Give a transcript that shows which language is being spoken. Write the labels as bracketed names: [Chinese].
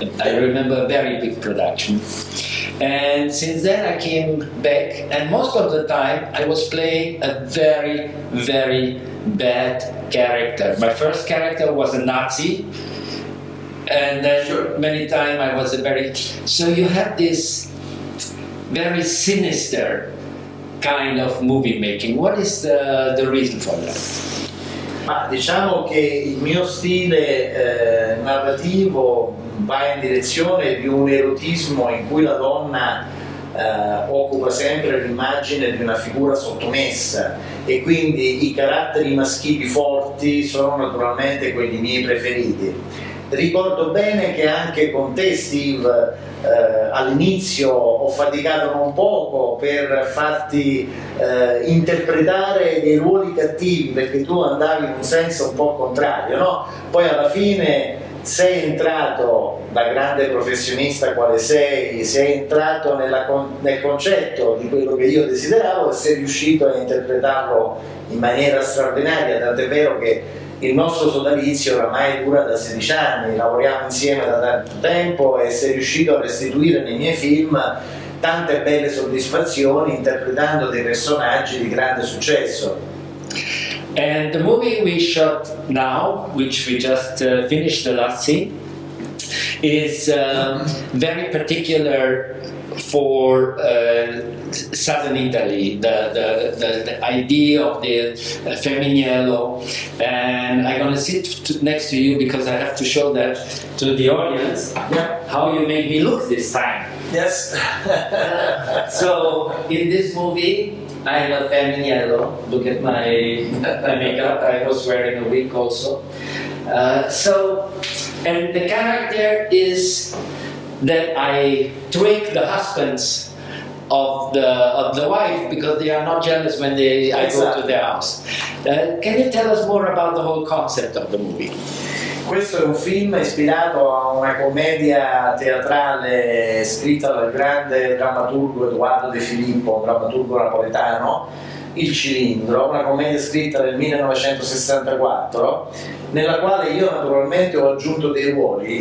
[English] I remember a very big production. And since then I came back, and most of the time I was playing a very, very bad character. My first character was a Nazi. And then many times I was a very... So you had this very sinister kind of movie making. What is the reason for that? [Italian] Ma diciamo che il mio stile narrativo va in direzione di un erotismo in cui la donna occupa sempre l'immagine di una figura sottomessa, e quindi i caratteri maschili forti sono naturalmente quelli miei preferiti. Ricordo bene che anche con te, Steve, all'inizio ho faticato non poco per farti interpretare dei ruoli cattivi, perché tu andavi in un senso un po' contrario, no? Poi alla fine sei entrato, da grande professionista quale sei entrato nel concetto di quello che io desideravo e sei riuscito a interpretarlo in maniera straordinaria, tant'è vero che il nostro sodalizio oramai dura da 16 anni, lavoriamo insieme da tanto tempo e sei riuscito a restituire nei miei film tante belle soddisfazioni interpretando dei personaggi di grande successo. [English] And the movie we shot now, which we just finished the last scene, is very particular for southern Italy, the idea of the femminello, and I'm gonna sit next to you because I have to show that to the audience. Yeah. How you made me look this time. Yes. So in this movie I am a femminello. Look at my makeup. I was wearing a wig also. And the character is that I trick the husbands of the wife because they are not jealous when they I go to their house. Can you tell us more about the whole concept of the movie? [Italian] Questo è un film ispirato a una commedia teatrale scritta dal grande drammaturgo Edoardo De Filippo, un drammaturgo napoletano, Il Cilindro, una commedia scritta nel 1964, nella quale io naturalmente ho aggiunto dei ruoli.